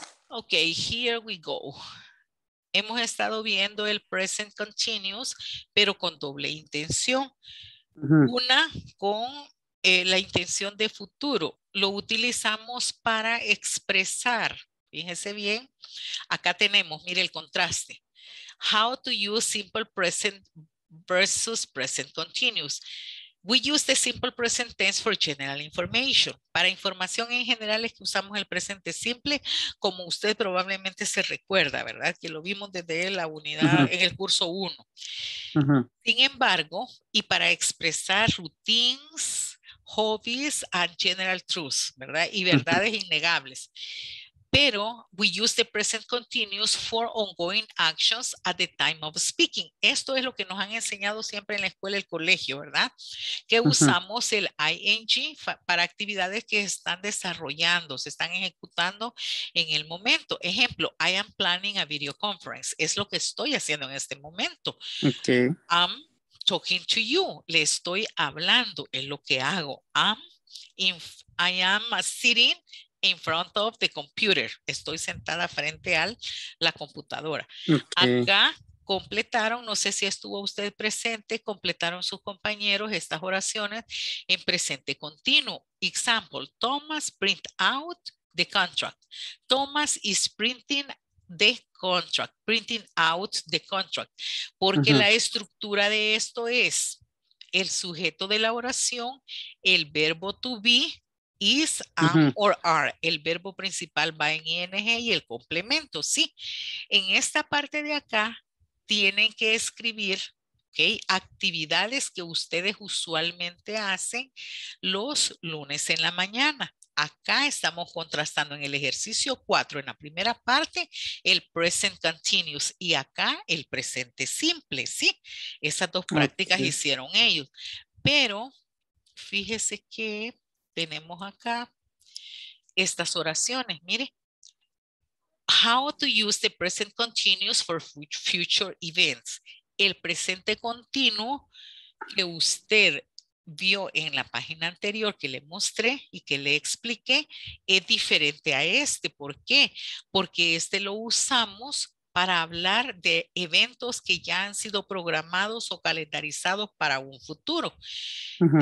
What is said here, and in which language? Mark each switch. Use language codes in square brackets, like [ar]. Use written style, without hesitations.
[en] Okay, here we go. [es] Hemos estado viendo el present continuous, pero con doble intención. Uh-huh. Una con la intención de futuro. Lo utilizamos para expresar, fíjense bien, acá tenemos, mire el contraste. [en] How to use simple present versus present continuous. We use the simple present tense for general information. [es] Para información en general es que usamos el presente simple, como usted probablemente se recuerda, ¿verdad? Que lo vimos desde la unidad en el curso 1. Uh-huh. Sin embargo, y para expresar [en] routines, hobbies and general truths, [es] ¿verdad? Y verdades innegables. [en] Pero we use the present continuous for ongoing actions at the time of speaking. [es] Esto es lo que nos han enseñado siempre en la escuela, el colegio, ¿verdad? Que usamos el ING para actividades que están desarrollando, se están ejecutando en el momento. Ejemplo, [en] I am planning a video conference. [es] Es lo que estoy haciendo en este momento. [en] Okay. Talking to you, [es] le estoy hablando, es lo que hago. [en] I am sitting in front of the computer. [es] Estoy sentada frente a la computadora. [en] Okay. [es] Acá completaron, no sé si estuvo usted presente, completaron sus compañeros estas oraciones en presente continuo. [en] Example, Thomas print out the contract. Thomas is printing the contract, [es] printing out the contract, porque la estructura de esto es el sujeto de la oración, el verbo to be Is, am, uh-huh. or are. El verbo principal va en ing y el complemento, sí. En esta parte de acá, tienen que escribir, ok, actividades que ustedes usualmente hacen los lunes en la mañana. Acá estamos contrastando en el ejercicio 4, en la primera parte, el present continuous y acá el presente simple, ¿sí? Esas dos prácticas okay. hicieron ellos. Pero fíjese que tenemos acá estas oraciones, mire. [en] How to use the present continuous for future events. [es] El presente continuo que usted vio en la página anterior que le mostré y que le expliqué es diferente a este. ¿Por qué? Porque este lo usamos para hablar de eventos que ya han sido programados o calendarizados para un futuro. Uh-huh.